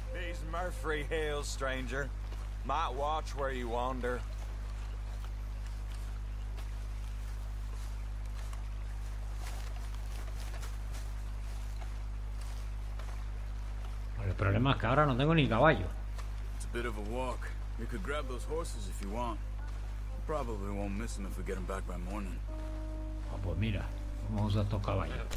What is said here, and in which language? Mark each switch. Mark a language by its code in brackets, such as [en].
[en] He's Murphy Hill, stranger. Might watch where you wander. [es] El problema es que ahora no tengo ni caballo. [en] It's a bit of a walk. You could grab those horses if you want. Probably won't miss them if we get them back by morning. [es] Ah, pues mira, vamos a usar estos caballos.